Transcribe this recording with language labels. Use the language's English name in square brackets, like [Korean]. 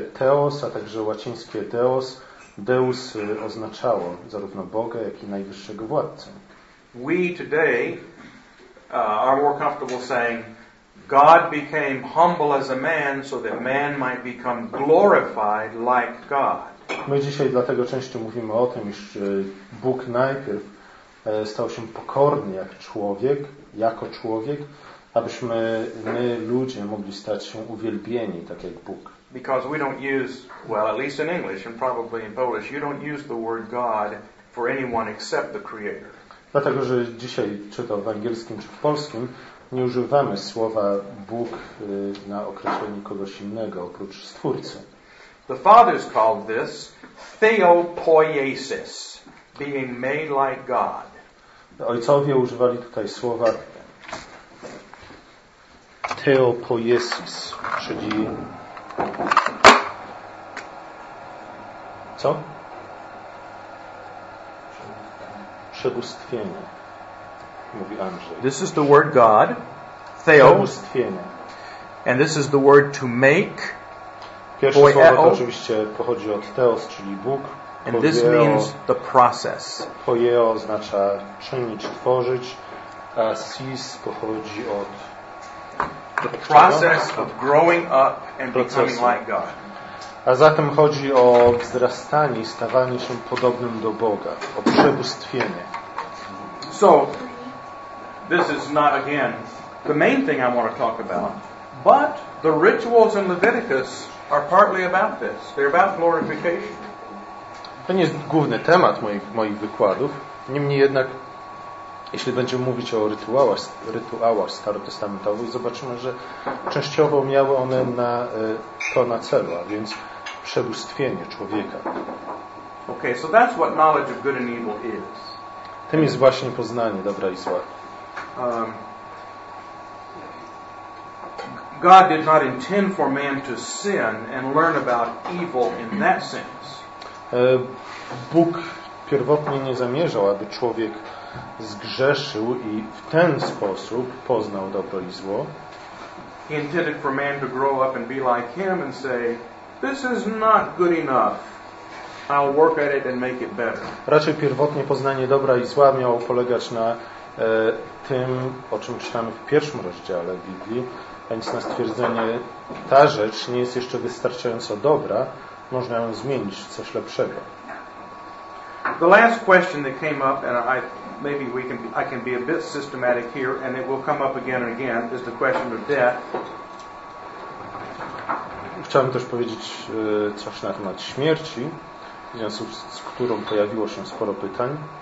[Polish] teos, a także łacińskie deos, deus oznaczało zarówno Boga, jak i najwyższego władcę. [English] We today are more comfortable saying God became humble as a man so that man might become glorified like God. [Polish] My dzisiaj dlatego częściej mówimy o tym, iż Bóg najpierw stał się pokorny jako człowiek, abyśmy my ludzie mogli stać się uwielbieni tak jak Bóg. [English] Because we don't use, well, at least in English and probably in Polish, you don't use the word God for anyone except the Creator. [Polish] Dlatego, że dzisiaj, czy to w angielskim, czy w polskim, nie używamy słowa Bóg na określenie kogoś innego oprócz Stwórcy. [English] The fathers called this theopoiesis, being made like God. [Polish] Ojcowie używali tutaj słowa theopoiesis, czyli co? Przebóstwienie, mówi Andrzej. [English] This is the word God, theos. And this is the word to make. [Polish] Pierwsze słowo oczywiście pochodzi od theos, czyli Bóg. [English] And this means the process. [Polish] Poieo oznacza czynić, tworzyć. A sis pochodzi od [English] the process of growing up and becoming like God. [Polish] A zatem chodzi o wzrastanie, stawanie się podobnym do Boga, o przebóstwienie. [English] So, this is not again the main thing I want to talk about, but the rituals in Leviticus are partly about this. They're about glorification. [Polish] To nie jest główny temat moich wykładów. Niemniej jednak, jeśli będziemy mówić o rytuałach starotestamentowych, zobaczymy, że częściowo miały one na celu, a więc przebóstwienie człowieka. [English] Okay, so that's what knowledge of good and evil is. [Polish] Tym jest właśnie poznanie dobra i zła. [English] God did not intend for man to sin and learn about evil in that sense. [Polish] Bóg pierwotnie nie zamierzał, aby człowiek zgrzeszył i w ten sposób poznał dobro i zło. [English] He intended for man to grow up and be like him and say, "This is not good enough. I'll work at it and make it better." [Polish] Raczej pierwotnie poznanie dobra i zła miało polegać na tym, o czym czytamy w pierwszym rozdziale Biblii, a więc na stwierdzenie, ta rzecz nie jest jeszcze wystarczająco dobra, można ją zmienić w coś lepszego. [English] The last question that came up, and I can be a bit systematic here, and it will come up again and again, is the question of death. [Polish] Chciałem też powiedzieć coś na temat śmierci, w związku z którą pojawiło się sporo pytań.